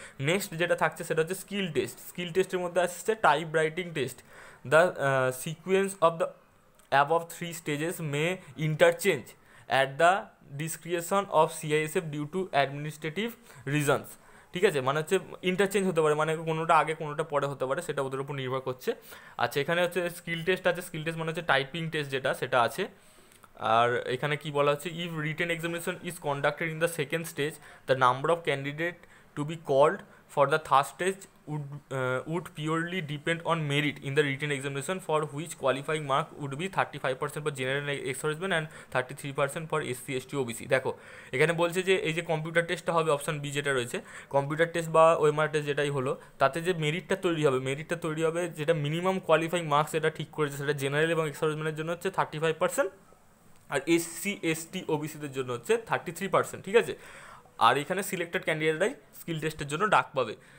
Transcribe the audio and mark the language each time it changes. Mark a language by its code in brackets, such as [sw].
[bn] Next যেটা থাকছে সেটা হচ্ছে স্কিল টেস্ট, স্কিল টেস্টের মধ্যে আসছে type writing test, [en] the sequence of the above 3 stages may interchange at the discretion of CISF due to administrative reasons, [bn] ঠিক আছে, মানে হচ্ছে ইন্টারচেঞ্জ হতে পারে, মানে কোনোটা আগে কোনোটা পরে হতে পারে, সেটা ওদের উপর নির্ভর করছে। আচ্ছা, এখানে হচ্ছে স্কিল টেস্ট আছে, স্কিল টেস্ট মানে হচ্ছে টাইপিং টেস্ট যেটা সেটা আছে। আর এখানে কী বলা হচ্ছে, [en] If written examination is conducted in the second stage the number of candidate to be called for the third stage would purely depend on merit in the written examination for which qualifying mark would be 35% for general excellence and 33% for SC ST OBC. [bn] দেখো এখানে বলছে যে এই যে computer টেস্টটা হবে option B যেটা রয়েছে কম্পিউটার টেস্ট বা ওএমআর টেস্ট যেটাই হলো তাতে যে মেরিটটা তৈরি হবে যেটা মিনিমাম কোয়ালিফাইং মার্কস এটা ঠিক করেছে সেটা জেনারেল এবং এক্সপার্টসমেন্টের জন্য হচ্ছে 35% আর এসসি এসটি ওবিসিদের জন্য হচ্ছে 33% ঠিক আছে আর এখানে সিলেক্টেড ক্যান্ডিডেটরাই স্কিল টেস্টের জন্য ডাক পাবে